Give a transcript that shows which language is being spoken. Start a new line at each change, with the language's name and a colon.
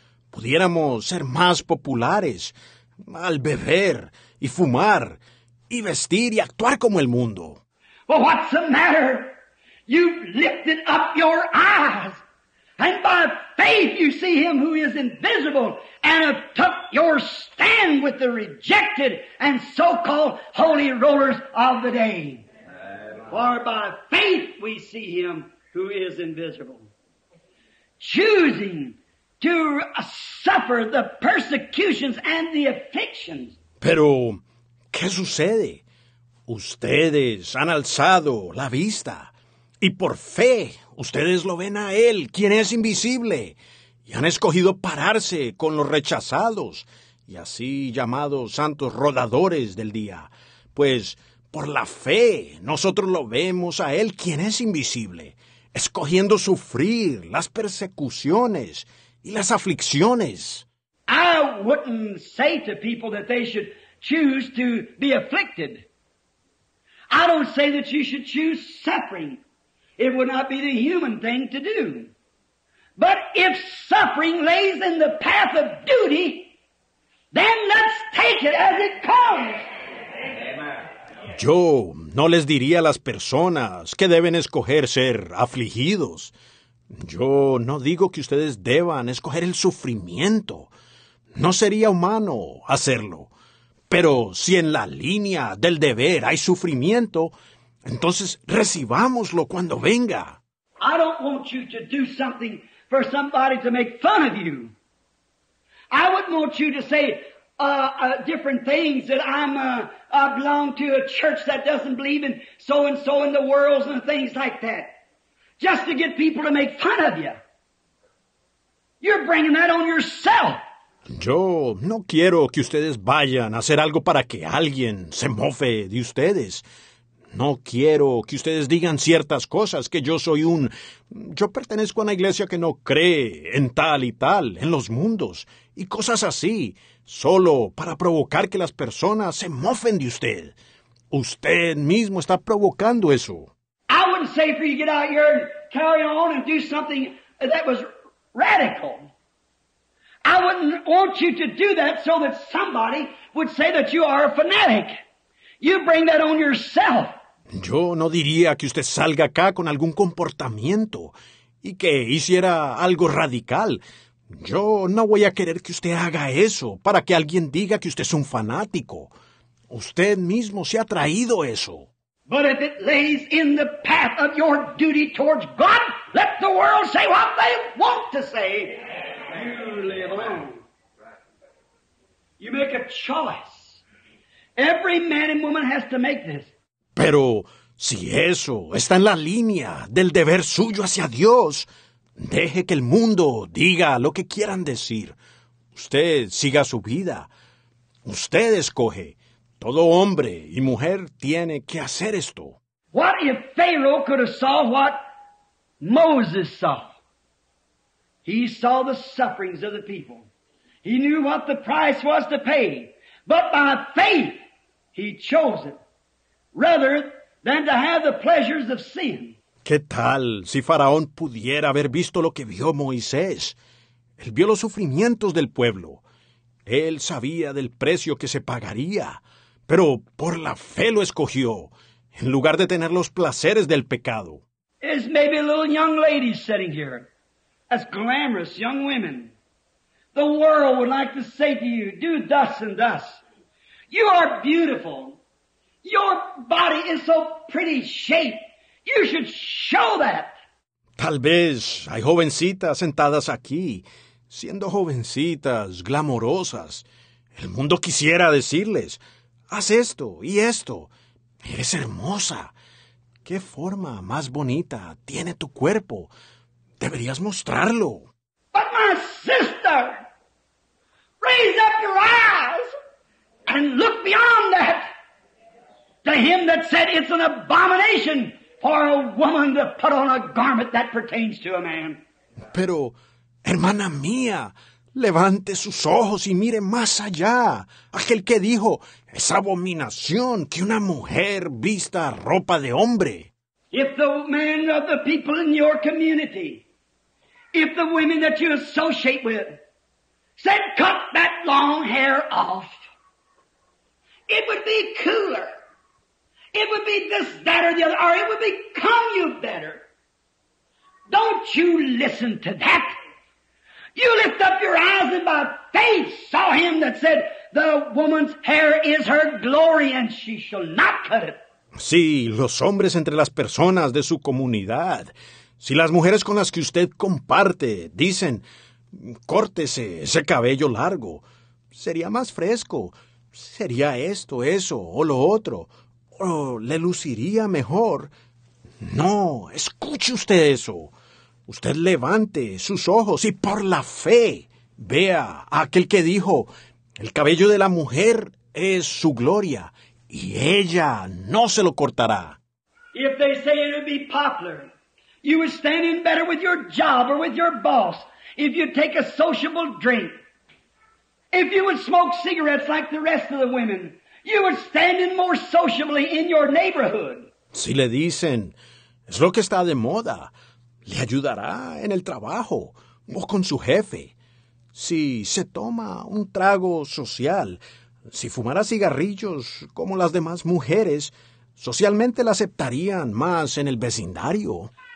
Spanish: Pudiéramos ser más populares al beber y fumar, y vestir y actuar como el mundo.
English: Well, what's the matter? You've lifted up your eyes And by faith you see him who is invisible and have took your stand with the rejected and so-called holy rulers of the day. For by faith we see him who is invisible. Choosing to suffer the persecutions and the afflictions.
Spanish: Pero, ¿qué sucede? Ustedes han alzado la vista y por fe ustedes lo ven a él, quien es invisible, y han escogido pararse con los rechazados y así llamados santos rodadores del día. Pues por la fe nosotros lo vemos a él, quien es invisible, escogiendo sufrir las persecuciones y las aflicciones.
English: I wouldn't say to people that they should choose to be afflicted. I don't say that you should choose suffering. It would not be the human thing to do. But if suffering lays in the path of duty, then let's take it as it comes.
Spanish: Yo no les diría a las personas que deben escoger ser afligidos. Yo no digo que ustedes deban escoger el sufrimiento. No sería humano hacerlo. Pero si en la línea del deber hay sufrimiento, entonces recibámoslo cuando venga.
English: I don't want you to do something for somebody to make fun of you. I wouldn't want you to say different things that I belong to a church that doesn't believe in so and so in the worlds and things like that. Just to get people to make fun of you. You're bringing that on yourself.
Spanish: Yo no quiero que ustedes vayan a hacer algo para que alguien se mofe de ustedes. No quiero que ustedes digan ciertas cosas, que yo pertenezco a una iglesia que no cree en tal y tal, en los mundos, y cosas así, solo para provocar que las personas se mofen de usted. Usted mismo está provocando eso.
English: I wouldn't say for you to get out here and carry on and do something that was radical. I wouldn't want you to do that so that somebody would say that you are a fanatic. You bring that on yourself.
Spanish: Yo no diría que usted salga acá con algún comportamiento y que hiciera algo radical. Yo no voy a querer que usted haga eso para que alguien diga que usted es un fanático. Usted mismo se ha traído eso.
English: But if it lays in the path of your duty towards God, let the world say what they want to say. You live alone. You make a choice. Every man and woman has to make this.
Spanish: Pero si eso está en la línea del deber suyo hacia Dios, deje que el mundo diga lo que quieran decir. Usted siga su vida. Usted escoge. Todo hombre y mujer tiene que hacer esto.
English: What if Pharaoh could have saw what Moses saw? He saw the sufferings of the people. He knew what the price was to pay. But by faith he chose it. Rather than to have the pleasures of sin.
Spanish: ¿Qué tal si Faraón pudiera haber visto lo que vio Moisés? Él vio los sufrimientos del pueblo. Él sabía del precio que se pagaría, pero por la fe lo escogió, en lugar de tener los placeres del pecado.
English: There's maybe a little young lady sitting here. That's glamorous young women. The world would like to say to you, do thus and thus. You are beautiful. Your body is so pretty shaped. You should show that.
Spanish: Tal vez hay jovencitas sentadas aquí, siendo jovencitas glamorosas. El mundo quisiera decirles, haz esto y esto. Eres hermosa. ¿Qué forma más bonita tiene tu cuerpo? Deberías mostrarlo.
English: But my sister, raise up your eyes and look beyond that. To him that said it's an abomination for a woman to put on a garment that pertains to a man.
Spanish: Pero, hermana mía, levante sus ojos y mire más allá. Aquel que dijo, es abominación que una mujer vista ropa de hombre.
English: If the men of the people in your community, if the women that you associate with, said cut that long hair off, it would be cooler. It would be this, that, or the other, or it would become you better. Don't you listen to that? You lift up your eyes and by faith saw him that said, the woman's hair is her glory and she shall not cut it.
Spanish: Sí, los hombres entre las personas de su comunidad. Si las mujeres con las que usted comparte dicen, córtese ese cabello largo, sería más fresco. Sería esto, eso o lo otro. O le luciría mejor. No, escuche usted eso. Usted levante sus ojos y por la fe vea a aquel que dijo, el cabello de la mujer es su gloria y ella no se lo cortará.
English: If they say it would be popular, you would stand in better with your job or with your boss if you take a sociable drink. If you would smoke cigarettes like the rest of the women, you would stand in more sociably in your neighborhood.
Spanish: Si le dicen, es lo que está de moda, le ayudará en el trabajo o con su jefe. Si se toma un trago social, si fumara cigarrillos como las demás mujeres, socialmente la aceptarían más en el vecindario.